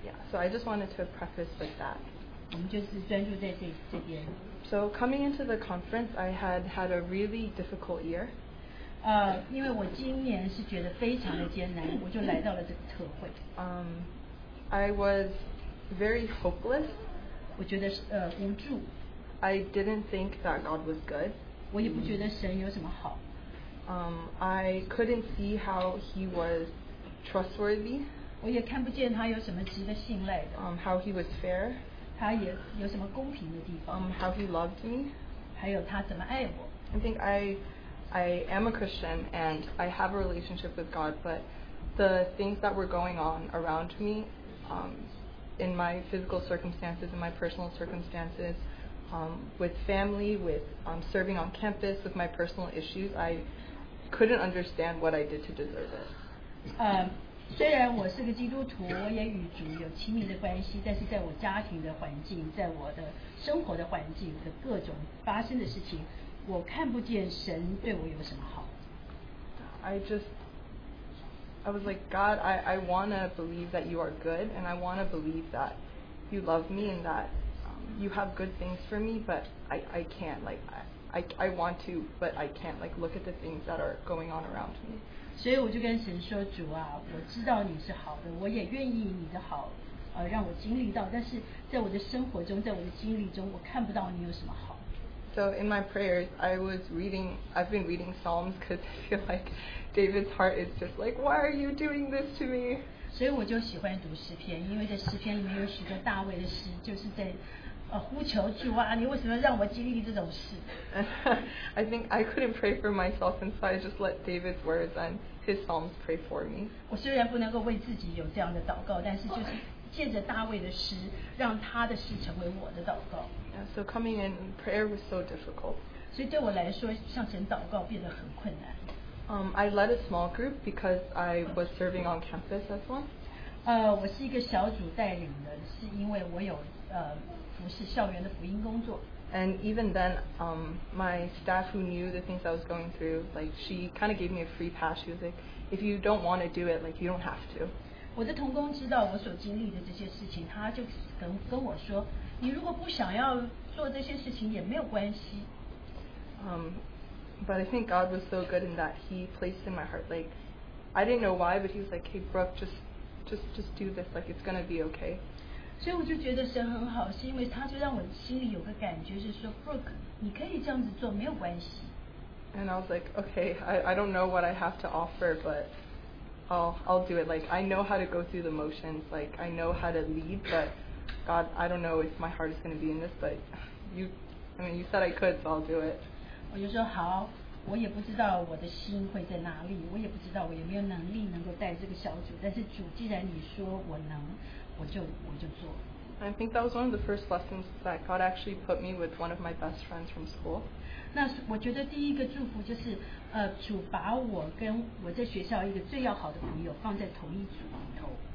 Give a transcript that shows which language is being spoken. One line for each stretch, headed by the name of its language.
English: So I just wanted to preface with that.
Chinese: 我们就是专注在这边。
English: So coming into the conference, I had had a really difficult year.
Chinese: 因为我今年是觉得非常的艰难，我就来到了这个特会。
English: I was very hopeless.
Chinese: 我觉得无助。
English: I didn't think that God was good.
Chinese: 我也不觉得神有什么好。
English: I couldn't see how he was trustworthy.
Chinese: 我也看不见他有什么值得信赖的。
English: How he was fair.
Chinese: 他也有什么公平的地方。
English: How he loved me.
Chinese: 还有他怎么爱我。
English: I think I am a Christian and I have a relationship with God, but the things that were going on around me, in my physical circumstances, in my personal circumstances, with family, with serving on campus, with my personal issues, I couldn't understand what I did to deserve it.
Chinese: 虽然我是个基督徒，我也与主有亲密的关系，但是在我家庭的环境，在我的生活的环境的各种发生的事情，我看不见神对我有什么好。
English: I was like, God, I want to believe that you are good, and I want to believe that you love me and that you have good things for me, but I can't, like, I want to, but I can't, like, look at the things that are going on around me.
Chinese: 所以我就跟神说，主啊，我知道你是好的，我也愿意你的好，让我经历到，但是在我的生活中，在我的经历中，我看不到你有什么好。
English: So in my prayers, I've been reading Psalms because I feel like David's heart is just like, why are you doing this to me?
Chinese: 所以我就喜欢读诗篇，因为在诗篇里面有许多大卫的诗，就是在呼求主啊，你为什么让我经历这种事？
English: I think I couldn't pray for myself, and so I just let David's words and his Psalms pray for me.
Chinese: 我虽然不能够为自己有这样的祷告，但是就是借着大卫的诗，让他的诗成为我的祷告。
English: So coming in prayer was so difficult.
Chinese: 所以对我来说，向神祷告变得很困难。
English: I led a small group because I was serving on campus as one.
Chinese: 我是一个小组带领人，是因为我有服侍校园的福音工作。
English: And even then, my staff who knew the things I was going through, like she kind of gave me a free pass. She was like, if you don't want to do it, like you don't have to.
Chinese: 我的同工知道我所经历的这些事情，他就跟我说。你如果不想要做这些事情也没有关系。
English: But I think God was so good in that He placed in my heart, like, I didn't know why, but He was like, hey, Brooke, just do this, like, it's gonna be okay.
Chinese: 所以我就觉得神很好，是因为他就让我心里有个感觉，是说 Brooke, 你可以这样子做，没有关系。
English: And I was like, okay, I don't know what I have to offer, but I'll do it. Like, I know how to go through the motions, like, I know how to lead, but God, I don't know if my heart is going to be in this, but you said I could, so I'll do it.
Chinese: 我就说好，我也不知道我的心会在哪里，我也不知道我有没有能力能够带这个小组，但是主既然你说我能，我就做。
English: I think that was one of the first lessons that God actually put me with one of my best friends from school.
Chinese: 那我觉得第一个祝福就是，主把我跟我在学校一个最要好的朋友放在同一组里头。